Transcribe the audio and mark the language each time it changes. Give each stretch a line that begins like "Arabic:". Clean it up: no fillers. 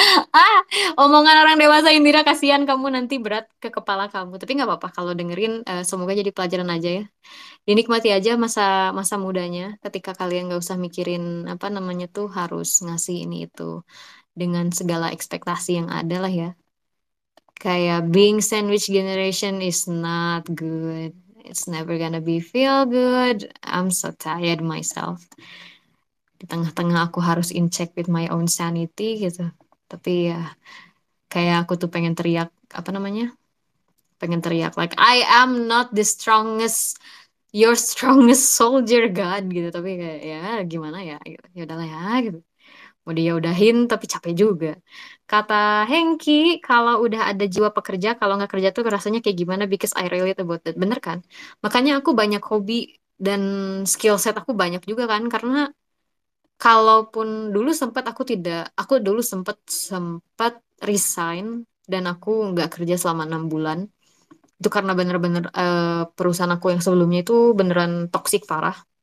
Indonesian: Ah, omongan orang dewasa Indira kasihan kamu nanti berat ke kepala kamu. Tapi nggak apa-apa kalau dengerin semoga jadi pelajaran aja ya. Dinikmati aja masa-masa mudanya ketika kalian nggak usah mikirin apa namanya tuh harus ngasih ini itu. Dengan segala ekspektasi yang ada lah ya.
English: Kayak being sandwich generation is not good. It's never gonna be feel good. I'm so tired myself.
Indonesian: Di tengah-tengah aku harus
English: in check with my own sanity gitu.
Indonesian: Tapi ya kayak aku tuh pengen teriak. Apa namanya? Pengen teriak
English: like I am not the strongest. Your strongest soldier God gitu.
Indonesian: Tapi kayak ya gimana ya. Ya udahlah ya gitu. Mau dia udahin tapi capek juga. Kata Hengki, kalau udah ada jiwa pekerja, kalau nggak kerja tuh rasanya kayak gimana?
English: Because I relate about that.
Indonesian: Bener kan? Makanya aku banyak hobi dan skill set aku banyak juga kan? Karena kalaupun dulu sempat aku tidak, aku dulu sempat sempat resign dan aku nggak kerja selama 6 bulan. Itu karena bener-bener perusahaan aku yang sebelumnya itu beneran toxic parah.